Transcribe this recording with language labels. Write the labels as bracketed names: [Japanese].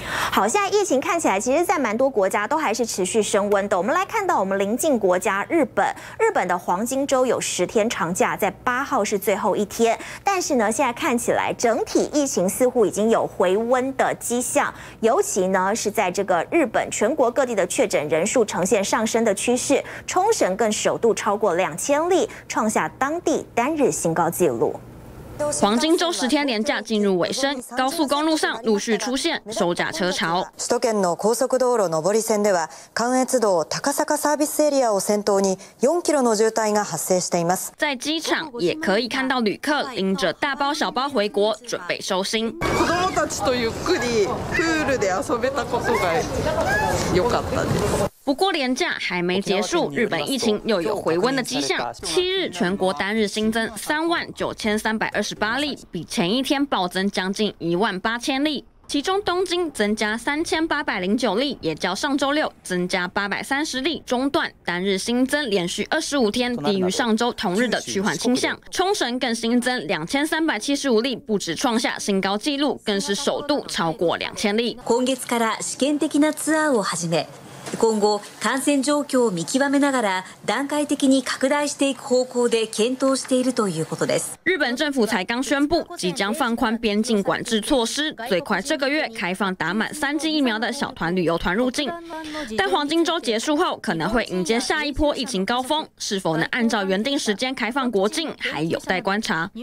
[Chinese] 好，现在疫情看起来其实在蛮多国家都还是持续升温的。我们来看到我们邻近国家日本，日本的黄金周有10天长假，在8号是最后一天，但是呢现在看起来整体疫情似乎已经有回温的迹象，尤其呢是在这个日本全国各地的确诊人数呈现上升的趋势，冲绳更首度超过2000例，创下当地单日新高纪录。黄金周10天连假进入尾声，高速公路上陆续出现收假车潮。 [Japanese] 首都圏の高速道路上り線では、関越道高坂サービスエリアを先頭に4キロの渋滞が発生しています。 [Chinese] 在机场也可以看到旅客拎着大包小包回国，准备收心。 [Japanese] 子供たちとゆっくりプールで遊べたことが良かったです。 [Chinese] 不过连假还没结束，日本疫情又有回温的迹象。七日全国单日新增39,328例，比前一天暴增将近18,000例。其中东京增加3,809例，也较上周六增加830例中断，单日新增连续25天低于上周同日的趋缓倾向。冲绳更新增2,375例，不止创下新高纪录，更是首度超过2,000例。 [Japanese] 今月から試験的なツアーを始め。今後感染状況を見極めながら段階的に拡大していく方向で検討しているということです。 [Chinese] 日本政府才刚宣布即将放宽边境管制措施，最快这个月开放打满3剂疫苗的小团旅游团入境，但黄金周结束后可能会迎接下一波疫情高峰，是否能按照原定时间开放国境还有待观察。